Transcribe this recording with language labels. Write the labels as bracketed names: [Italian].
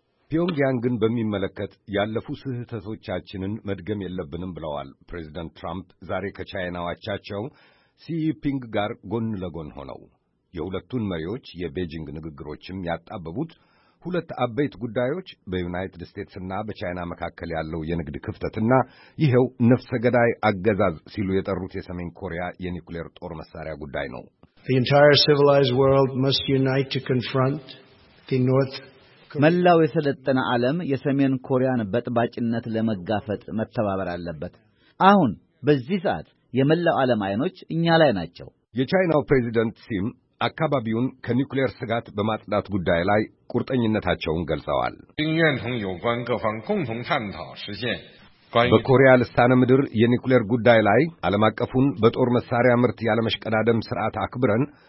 [Amharic] ፒዮንግያንግን በሚመለከት ያለፉ ስህተቶቻችንን መድገም የለብንም ብለዋል ፕሬዚደንት ትራምፕ ዛሬ ከቻይናው አቻቸው ሲፒንግ ጋር ጎን ለጎን ሆነው። የሁለቱን መሪዎች የቤጂንግ ንግግሮችም ያጣበቡት ሁለት አበይት ጉዳዮች በዩናይትድ ስቴትስና በቻይና መካከል ያለው የንግድ ክፍተትና ይሄው ነፍሰ ገዳይ አገዛዝ ሲሉ የጠሩት የሰሜን ኮሪያ የኒውክሌር ጦር መሳሪያ ጉዳይ ነው። [English] The entire civilized world must unite to confront the North Korea. [Amharic] መላው የሰለጠነ ዓለም የሰሜን ኮሪያን በጥባጭነት ለመጋፈጥ መተባበር አለበት። አሁን በዚህ ሰዓት የመላው ዓለም አይኖች እኛ ላይ ናቸው። የቻይናው ፕሬዚደንት ሲም አካባቢውን ከኒውክሌር ስጋት በማጽዳት ጉዳይ ላይ ቁርጠኝነታቸውን ገልጸዋል። በኮሪያ ልሳነ ምድር የኒውክሌር ጉዳይ ላይ ዓለም አቀፉን በጦር መሳሪያ ምርት ያለመሽቀዳደም ሥርዓት አክብረን